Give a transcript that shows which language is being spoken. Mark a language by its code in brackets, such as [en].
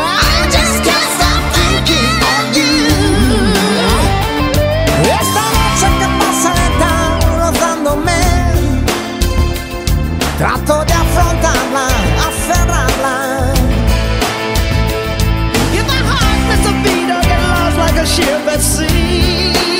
[en] I just can't stop thinking of you. [es] Esta noche que pasaré tan rozándome, trato de afrontarla, aferrarla. [en] If my heart misses a beat, I get lost like a ship at sea.